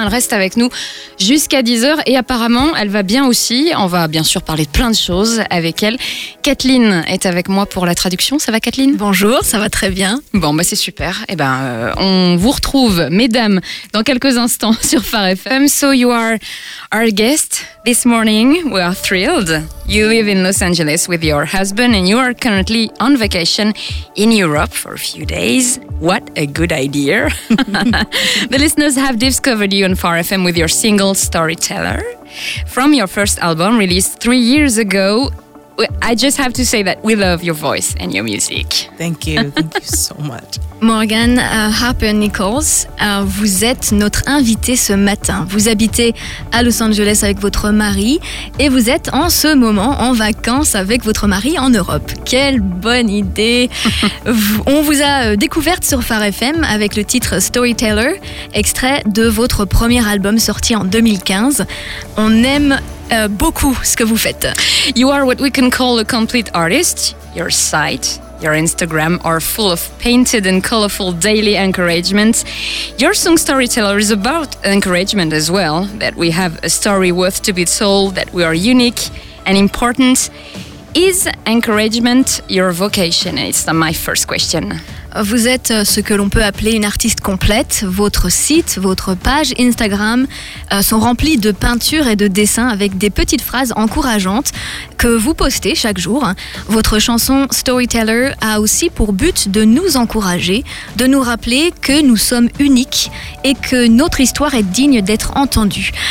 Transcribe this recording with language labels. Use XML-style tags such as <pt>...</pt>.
<fr>Elle reste avec nous jusqu'à 10h et apparemment, elle va bien aussi. On va bien sûr parler de plein de choses avec elle. Kathleen est avec moi pour la traduction. Ça va, Kathleen? Bonjour, ça va très bien. Bon, bah, c'est super. Eh ben, on vous retrouve, mesdames, dans quelques instants sur Phare FM.</fr> <en>So you are our guest this morning. We are thrilled. You live in Los Angeles with your husband and you are currently on vacation in Europe for a few days. What a good idea. The listeners have discovered you on Phare FM with your single Storyteller. From your first album released 3 years ago, I just have to say that we love your voice and your music. Thank you. Thank you so much.</en> <fr>Morgan Harper Nichols, vous êtes notre invitée ce matin. Vous habitez à Los Angeles avec votre mari et vous êtes en ce moment en vacances avec votre mari en Europe. Quelle bonne idée. On vous a découverte sur Phare FM avec le titre Storyteller, extrait de votre premier album sorti en 2015. On aime beaucoup ce que vous faites.</fr> <en>You are what we can call a complete artist. Your sight, your Instagram are full of painted and colorful daily encouragements. Your song Storyteller is about encouragement as well, that we have a story worth to be told, that we are unique and important. Is encouragement your vocation? It's my first question.</en> <fr>Vous êtes ce que l'on peut appeler une artiste complète. Votre site, votre page Instagram sont remplis de peintures et de dessins avec des petites phrases encourageantes que vous postez chaque jour. Votre chanson Storyteller a aussi pour but de nous encourager, de nous rappeler que nous sommes uniques et que notre histoire est digne d'être entendue.</fr>